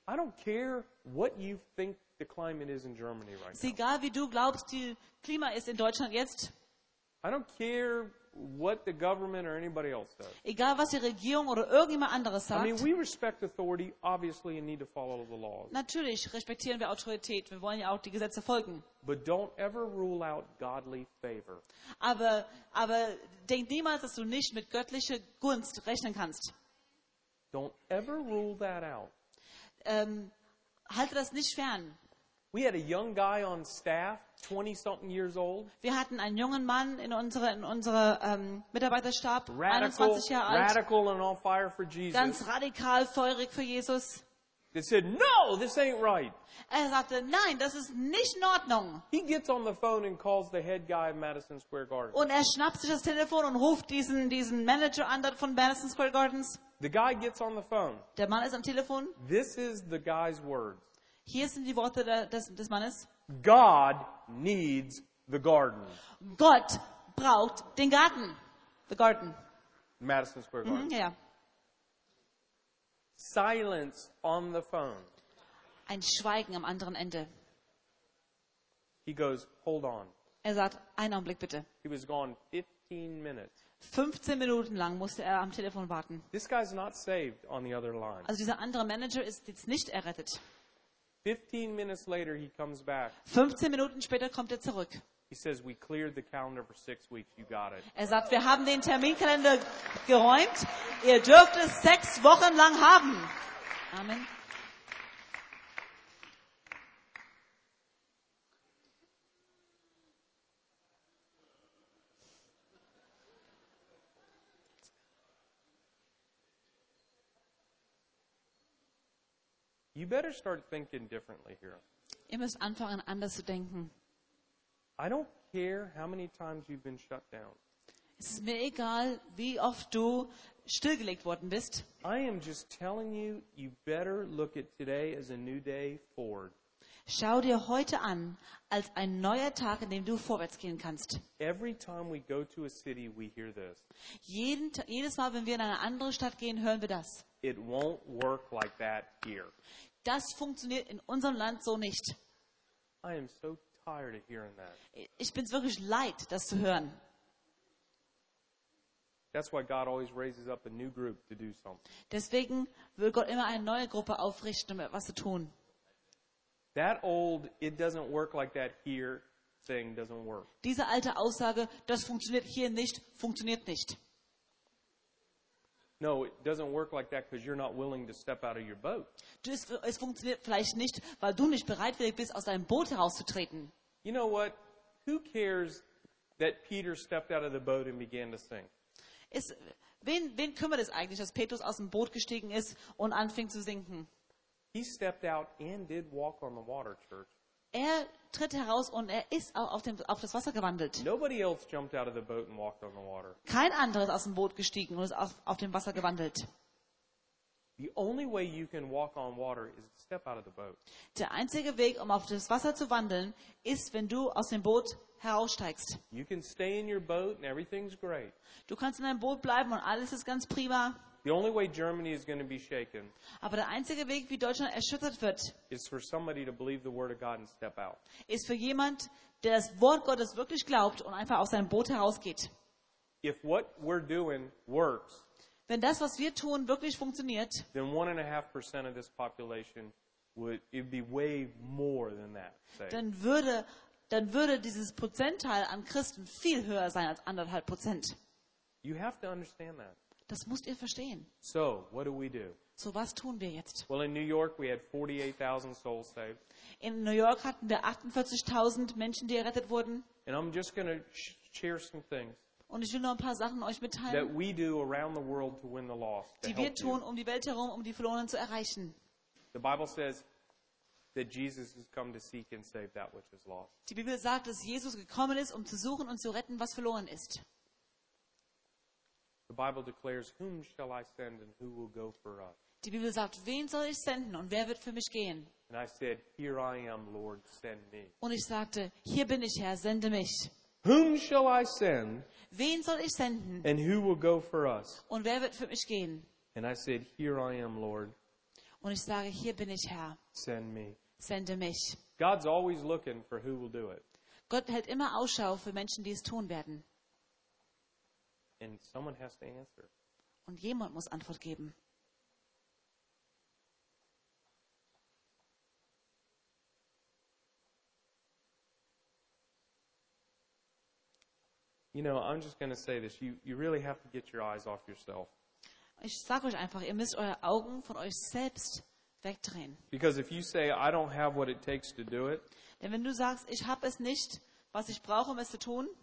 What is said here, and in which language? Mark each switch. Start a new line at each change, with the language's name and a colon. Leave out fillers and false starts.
English: I don't care what you think the climate is in Germany right now.
German: Egal wie du glaubst, die Klima ist in Deutschland jetzt.
English: I don't care what the government or anybody else does.
German: Egal was die Regierung oder irgendjemand anderes sagt.
English: I mean, we respect authority, obviously, and need to follow the laws.
German: Natürlich respektieren wir Autorität. Wir wollen ja auch die Gesetze folgen.
English: But don't ever rule out godly favor.
German: Aber denk niemals, dass du nicht mit göttlicher Gunst rechnen kannst.
English: Don't ever rule that out.
German: Halte das nicht fern.
English: We had a young guy on staff, 20-something years old.
German: Wir hatten einen jungen Mann in unserem Mitarbeiterstab, 21 Jahre alt.
English: Radical and on fire for Jesus.
German: Ganz radikal, feurig für Jesus.
English: They said, no, this ain't right.
German: Er sagte, nein, das ist nicht in Ordnung.
English: He gets on the phone and calls the head guy of Madison Square Gardens.
German: Und er schnappt sich das Telefon und ruft diesen Manager an dort von Madison Square Gardens.
English: The guy gets on the phone.
German: Der Mann ist am Telefon.
English: This is the guy's words.
German: Hier sind die Worte des Mannes.
English: God needs the garden.
German: Gott braucht den Garten.
English: The garden. Madison Square Garden. Mm-hmm, yeah. Silence on the phone.
German: Ein Schweigen am anderen Ende.
English: He goes, hold on.
German: Er sagt, einen Augenblick bitte.
English: He was gone 15 minutes.
German: 15 Minuten lang musste er am Telefon warten.
English: This guy's not saved on the other line.
German: Also dieser andere Manager ist jetzt nicht errettet.
English: 15 minutes later he comes back.
German: 15 Minuten später kommt er zurück.
English: He says we cleared the calendar for 6 weeks. You got it.
German: Er sagt, wir haben den Terminkalender geräumt. Ihr dürft es 6 Wochen lang haben. Amen.
English: You better start thinking differently here.
German: Ihr müsst anfangen, anders zu denken.
English: I don't care how many times you've been shut down.
German: Es ist mir egal, wie oft du stillgelegt worden bist.
English: I am just telling you, you better look at today as a new day forward.
German: Schau dir heute an als ein neuer Tag, in dem du vorwärts gehen kannst.
English: Every time we go to a city, we hear this.
German: Jedes Mal, wenn wir in eine andere Stadt gehen, hören wir das.
English: It won't work like that here.
German: Das funktioniert in unserem Land so nicht.
English: I am so tired of hearing that.
German: Ich bin wirklich leid, das zu hören.
English: That's why God always raises up a new group to do something.
German: Deswegen will Gott immer eine neue Gruppe aufrichten, um etwas zu tun.
English: That old "it doesn't work like that here" thing doesn't work.
German: Diese alte Aussage, das funktioniert hier nicht, funktioniert nicht.
English: No, it doesn't work like that because you're not willing to step out of your boat.
German: Es funktioniert vielleicht nicht, weil du nicht bereitwillig bist, aus deinem Boot herauszutreten.
English: You know what? Who cares that Peter stepped out of the boat and began to sing?
German: Wen kümmert es eigentlich, dass Petrus aus dem Boot gestiegen ist und anfing zu sinken?
English: He stepped out and did walk on the water, church.
German: Er tritt heraus und er ist auch auf das Wasser gewandelt.
English: Nobody else jumped out of the boat and walked on the water.
German: Kein anderer ist aus dem Boot gestiegen und ist auf dem Wasser gewandelt.
English: The only way you can walk on water is to step out of the boat.
German: Der einzige Weg, um auf das Wasser zu wandeln, ist, wenn du aus dem Boot heraussteigst.
English: You can stay in your boat and everything's great.
German: Du kannst in deinem Boot bleiben und alles ist ganz prima.
English: The only way Germany is going to be shaken.
German: Aber der einzige Weg, wie Deutschland erschüttert wird,
English: is for somebody to believe the word of God and step out.
German: Ist für jemand, der das Wort Gottes wirklich glaubt und einfach aus seinem Boot herausgeht.
English: If what we're doing works,
German: wenn das, was wir tun, wirklich funktioniert,
English: then 1.5% of this population would it be way more than that. Say.
German: Dann würde dieses Prozentteil an Christen viel höher sein als 1.5%.
English: You have to understand that.
German: Das musst ihr verstehen.
English: So, what do we do?
German: So, was tun wir jetzt?
English: Well, in New York we had 48,000 souls saved.
German: In New York hatten wir 48,000 Menschen, die errettet wurden.
English: And I'm just going to share some things.
German: Und ich will noch ein paar Sachen euch mitteilen.
English: That we do around the world to win the lost.
German: Die wir tun um die Welt herum, um die Verlorenen zu erreichen.
English: The Bible says that Jesus has come to seek and save that which is lost.
German: Die Bibel sagt, dass Jesus gekommen ist, um zu suchen und zu retten, was verloren ist.
English: The Bible declares, whom shall I send and who will go for us?
German: Die Bibel sagt, wen soll ich senden und wer wird für mich gehen?
English: And I said, here I am, Lord, send me.
German: Und ich sagte, hier bin ich, Herr, sende mich.
English: Whom shall I send?
German: Wen soll ich senden?
English: And who will go for us?
German: Und wer wird für mich gehen?
English: And I said, here I am, Lord.
German: Und ich sage, hier bin ich, Herr.
English: Send me.
German: Sende mich.
English: God's always looking for who will do it.
German: Gott hält immer Ausschau für Menschen, die es tun werden.
English: And someone has to answer.
German: Und jemand muss Antwort geben.
English: You know, I'm just going to say this. You really have to get your eyes off yourself.
German: Ich sage euch einfach, ihr müsst eure Augen von euch selbst wegdrehen.
English: Because if you say, I don't have what it takes to do it,
German: denn wenn du sagst, ich habe es nicht, was ich brauche, um es zu tun,